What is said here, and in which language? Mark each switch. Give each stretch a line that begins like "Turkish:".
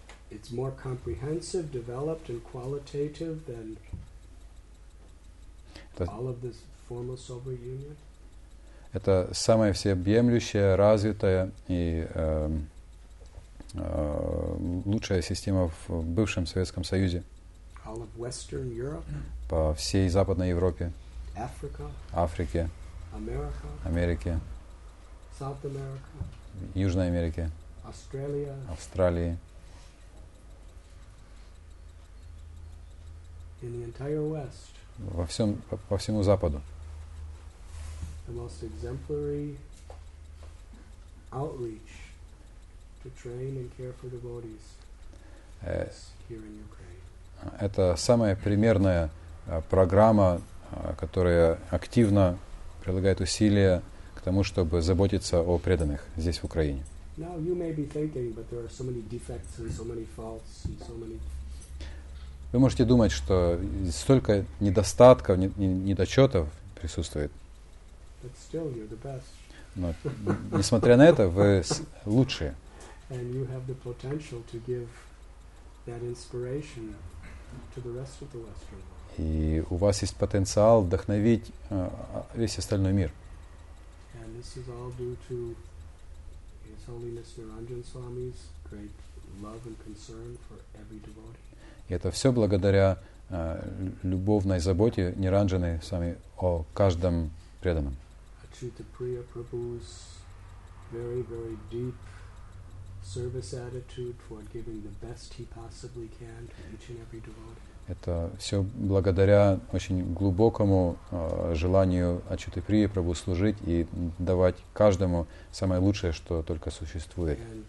English: It's more comprehensive, developed and qualitative than all of this former Soviet Union.
Russian: Это самое всеобъемлющее, развитое и лучшая система в бывшем Советском Союзе,
English: all of Western Europe,
Russian: по всей Западной Европе,
English: Africa,
Russian: Африке,
English: America,
Russian: Америке,
English: South America,
Russian: Южной Америке,
English: Australia,
Russian: Австралии.
English: In the entire West,
Russian: по всему Западу.
English: The most exemplary outreach to train and care for devotees here in Ukraine.
Russian: Это самая примерная программа, которая активно прилагает усилия к тому, чтобы заботиться о преданных здесь, в Украине.
English: Now you may be thinking, but there are so many defects and so many faults and so many.
Russian: Вы можете думать, что столько недостатков, недочетов присутствует.
English: But still, you're the best.
Russian: Но несмотря на это, вы лучшие.
English: And you have the potential to give that inspiration to the rest of the Western world.
Russian: И у вас есть потенциал вдохновить весь остальной мир.
English: And this is all due to His Holiness Niranjan Swami's great love and concern for every devotee.
Russian: И это все благодаря любовной заботе Ниранджаны Свами о каждом преданном. A
English: Chaitanya Priya Prabhu's very, very deep service attitude toward giving the best he possibly can to each and every devotee.
Russian: Это все благодаря очень глубокому желанию Ачьюты Прия Прабху служить и давать каждому самое лучшее, что только существует.